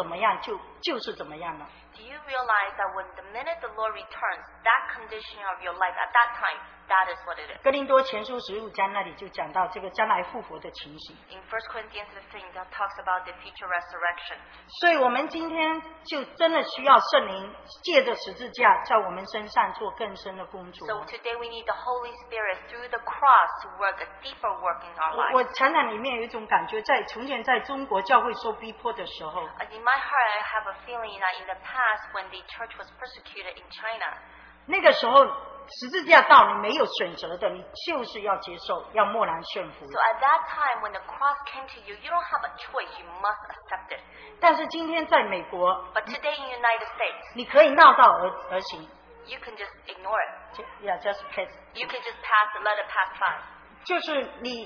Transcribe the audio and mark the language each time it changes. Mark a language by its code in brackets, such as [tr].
[zh] 但是主真的回来，你知道吗？我们今天的生命的光景是怎么样，就是怎么样了。Do [en] you realize that when the minute the Lord returns, that condition of your life at that time? That is what it is. [zh] 哥林多前书15章那里就讲到这个将来复活的情形。 [en] In 1 Corinthians 15, that talks about the future resurrection. [zh] 所以我们今天就真的需要圣灵借着十字架在我们身上做更深的工作。 [en] So today we need the Holy Spirit through the cross to work a deeper work in our lives. [zh] 我常常里面有一种感觉，在从前在中国教会受逼迫的时候。 [en] In my heart, I have a feeling that in the past, when the church was persecuted in China, [zh] 那个时候。十字架到你没有选择的，你就是要接受，要默然顺服。 [en] So at that time when the cross came to you, you don't have a choice, you must accept it. [zh] 但是今天在美国， [en] But today in United States, [zh] 你可以闹道而行。 [en] You can just ignore it. Yeah, just pass. You can just pass, let it pass by.